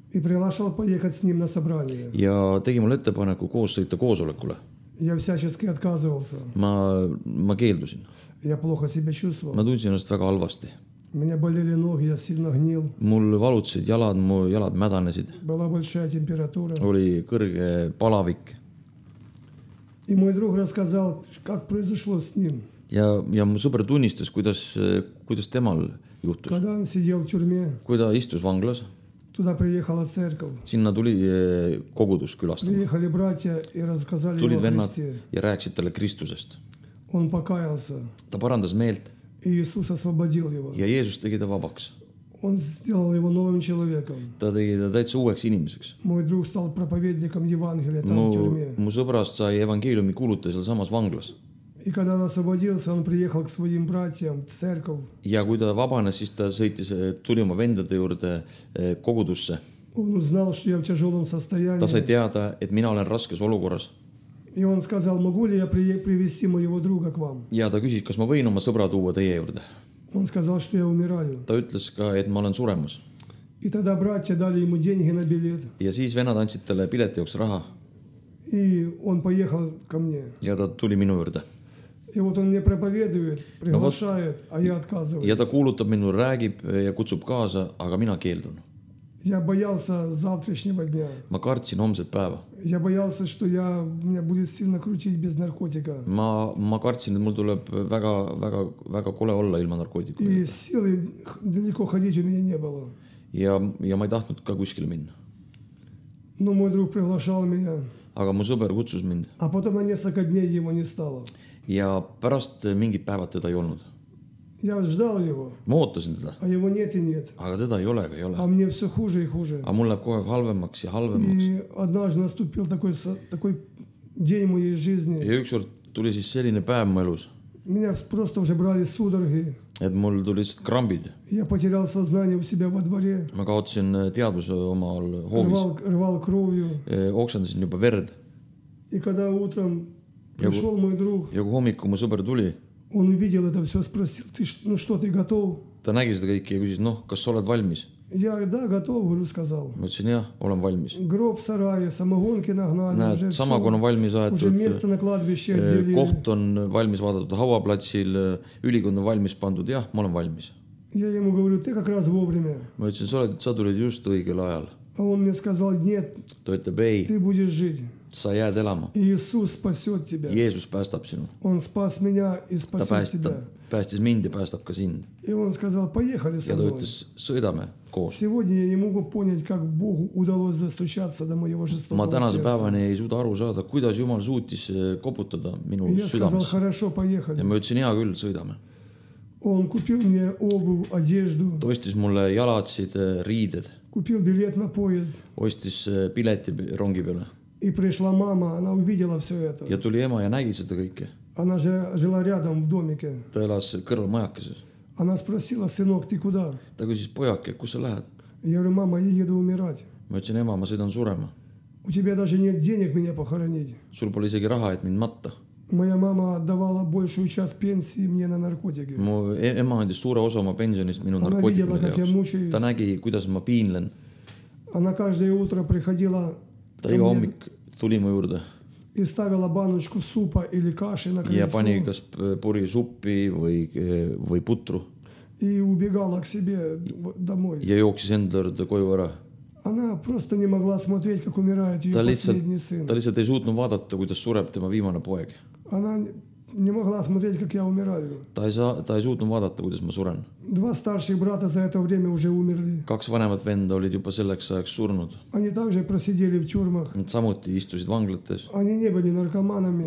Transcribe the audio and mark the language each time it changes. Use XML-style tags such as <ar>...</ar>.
<ru>И приглашал поехать с ним на собрание.</ru> <et>Я теги мол ettepaneku koos sõita koosolekule.</et> <ru>Я всячески отказывался.</ru> <et>Ma keeldusin.</et> <ru>Я плохо себя чувствовал.</ru> <et>Ma tundsin ennast väga halvasti.</et> <ru>Меня болели ноги, я сильно гнил.</ru> <et>Mul valutsid jalad, mu jalad mädanesid.</et> <ru>Была большая температура.</ru> <et>Oli kõrge palavik.</et> <ru>И мой друг рассказал, как произошло с ним.</ru> <et>Ja mu super tunnistas, kuidas temal juhtus.</et> <ru>Когда он сидел в тюрьме.</ru> <et>Kui ta istus vanglas.</et> <ru>Туда приехала церковь.</ru> <et>Sinna tuli kogudus külastama.</et> <ru>Приехали братья и рассказали ему о Христе.</ru> <et>Ja rääksid talle Kristusest.</et> <ru>Он покаялся.</ru> <et>Ta parandas meelt.</et> <ru>И Иисус освободил его.</ru> <et>Ja Jeesus tegi ta vabaks.</et> <ru>Он сделал его новым человеком.</ru> <et>Ta tegi ta täitsa uueks inimeseks.</et> <ru>Мой друг стал проповедником Евангелия там в тюрьме.</ru> <et>Mu sõbrast sai evangeeliumi kuulutaja seal samas vanglas.</et> <ru>И когда он освободился, он приехал к своим братьям в церковь.</ru> <et>Ja kui ta vabanes, siis ta sõitis, tuli oma vendade juurde kogudusse.</et> <ru>Он узнал, что я в тяжелом состоянии.</ru> <et>Ta sai teada, et mina olen raskes olukorras.</et> <ru>И он сказал, могу ли я привести моего друга к вам?</ru> <et>Ja ta küsis, kas ma võin oma sõbra tuua teie juurde.</et> <ru>Он сказал, что я умираю.</ru> <et>Ta ütles ka, et ma olen suremas.</et> <ru>И тогда братья дали ему деньги на билет.</ru> <et>Ja siis venad andsid talle bileti jaoks raha.</et> <ru>И он поехал ко мне.</ru> <et>Ja ta tuli minu juurde.</et> <ru>И вот он мне проповедует, приглашает, а я отказываюсь.</ru> <et>Ja ta kuulutab minu, räägib ja kutsub kaasa, aga mina keeldun.</et> <ru>Я боялся завтрашнего дня.</ru> <et>Ma kartsin homset päeva.</et> <ru>Я боялся, что я меня будет сильно крутить без наркотика.</ru> <et>Ma kartsin, et mul tuleb väga väga väga kole olla ilma narkootiku.</et> <ru>И силы далеко ходить у меня не было.</ru> <et>Ja ma ei tahtnud ka kuskile minna.</et> <ru>Но мой друг приглашал меня.</ru> <et>Aga mu sõber kutsus mind.</et> <ru>А потом на несколько дней его не стало.</ru> <et>Ja pärast mingid päevad teda ei olnud.</et> <ru>Ja ждал его.</ru> <et>Ma ootasin teda.</et> <ru>А его нет и нет.</ru> <et>Aga teda ei ole, aga ei ole.</et> <ru>А мне все хуже и хуже.</ru> <et>А мне кое halvemaks ja halvemaks.</et> <ru>И однажды наступил такой день моей жизни.</ru> <et>Ja ükskord tuli siis selline päev mu elus.</et> <ru>Меня просто уже брали судороги.</ru> <et>Et mul tuli siit krambid.</et> <ru>Я потерял сознание у себя во дворе.</ru> <et>Ma kaotsin teadvuse omal hoovis.</et> <ru>Рвал кровью.</ru> <et>Oksendasin juba verd.</et> <ru>И когда утром пришел мой друг.</ru> <et>Ja kui hommiku mu sõber tuli.</et> <ru>Он увидел это все, спросил, что ты готов?</ru> <et>Ta nägi seda kõike ja küsis, kas sa oled valmis?</et> <ru>Я, да, готов, говорю, сказал.</ru> <et>Ma ütlesin, jah, olen valmis.</et> <ru>Гроб в сарае, самогонки нагнали.</ru> <et>Näed, samagon on valmis aetud.</et> <ru>Уже место на кладбище отделили.</ru> <et>Koht on valmis vaadatud hauaplatsil, ülikond on valmis pandud, jah, ma olen valmis.</et> <ru>Я ему говорю, ты как раз вовремя.</ru> <et>Ma ütlesin, sa tulid just õigel ajal.</et> <ru>А он мне сказал, нет,</ru> <et>ta ütleb, ei,</et> <ru>ты будешь жить.</ru> <et>Sa jääd elama.</et> <ru>Jeesus spasjot tebe.</ru> <et>Jeesus päästab sinu.</et> <ru>On spas minja i spasjot tebe.</ru> <et>Ta päästis mind ja päästab ka sind.</et> <ru>И он сказал, поехали со мной.</ru> <et>Ja ta ütles, sõidame koos.</et> <ru>Сегодня я не могу понять, как Богу удалось застучаться до моего жестокого сердца.</ru> <et>Ma tänase päevani ei suuda aru saada, kuidas Jumal suutis koputada minu südames.</et> <ru>Я сказал, хорошо, поехали.</ru> <et>Ja ma ütlesin, hea küll, sõidame.</et> <ru>Он купил мне обувь, одежду.</ru> <et>Ta ostis mulle jalatsid, riided.</et> <ru>Купил билет на поезд.</ru> <et>Ostis bileti rongi peale.</et> <ru>И пришла мама, она увидела все это.</ru> <et>Ja tuli ema ja nägi seda kõike.</et> <ru>Она же жила рядом в домике.</ru> <et>Ta elas kõrval majakeses.</et> <ru>Она спросила, сынок, ты куда?</ru> <et>Ta küsis, pojake, kus sa lähed?</et> <ru>Я говорю, мама, я еду умирать.</ru> <et>Ma ütlesin, ema, ma sõidan surema.</et> <ru>У тебя даже нет денег меня похоронить.</ru> <et>Sul pole isegi raha, et mind matta.</et> <ru>Моя мама отдавала большую часть пенсии мне на наркотики.</ru> <et>Mu ema andis suure osa oma pensionist minu narkootikumile. Ta nägi, kuidas ma piinlen.</et> <ru>Она каждое утро приходила.</ru> <et>Ta iga hommik tuli mu juurde.</et> <ru>И ставила баночку супа или каши на крыльцо.</ru> <et>Ja pani kas puri suppi või putru.</et> <ru>И убегала к себе домой.</ru> <et>Ja jooksis enda juurde koju ära.</et> <ru>Она просто не могла смотреть, как умирает ее последний сын.</ru> <et>Та лиса ei suutnud vaadata, kuidas sureb tema viimane poeg.</et> <ru>Она не могла смотреть, как я умираю.</ru> <et>Та ei suutnud vaadata, kuidas ma suren.</et> <ru>Два старших брата за это время уже умерли.</ru> <et>Kaks vanemat venda olid juba selleks ajaks surnud.</et> <ru>Они также просидели в тюрьмах.</ru> <et>Nad samuti istusid vanglates.</et> <ru>Они не были наркоманами.</ru>